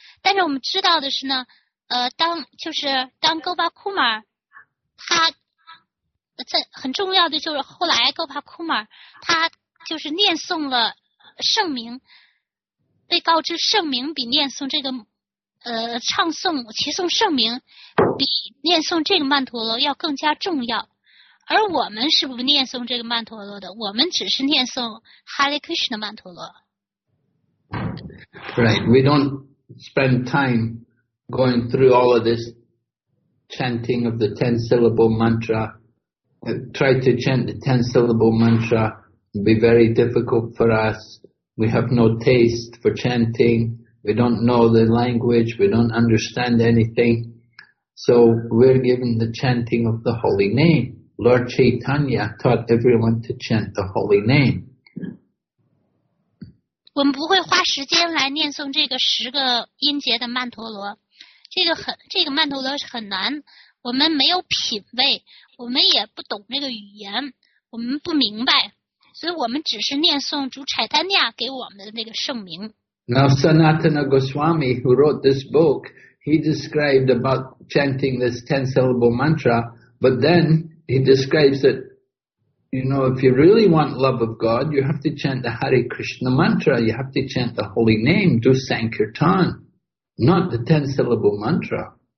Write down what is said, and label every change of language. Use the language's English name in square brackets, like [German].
[Chinese] 但是我们知道的是呢，当 Gopal Kumar 他在很重要的就是后来 Gopal Kumar 他就是念诵了圣名，被告知圣名比念诵这个唱诵齐诵圣名比念诵这个曼陀罗要更加重要，而我们是不念诵这个曼陀罗的，我们只是念诵哈利克什的曼陀罗。 [English] Right, we don't spend time going through all of this chanting of the 10-syllable mantra. Try to chant the 10-syllable mantra. It'd be very difficult for us. We have no taste for chanting. We don't know the language. We don't understand anything. So we're given the chanting of the holy name. Lord Chaitanya taught everyone to chant the holy name. [Chinese] 我们不会花时间来念诵这个十个音节的曼陀罗，这个曼陀罗是很难，我们没有品味，我们也不懂那个语言，我们不明白，所以我们只是念诵主柴丹尼亚给我们的那个圣名。 [English] Now Sanatana Goswami, who wrote this book, he described about chanting this 10-syllable mantra, but then he describes that, you know, if you really want love of God, you have to chant the Hare Krishna mantra, you have to chant the holy name, do Sankirtan, not the 10-syllable mantra.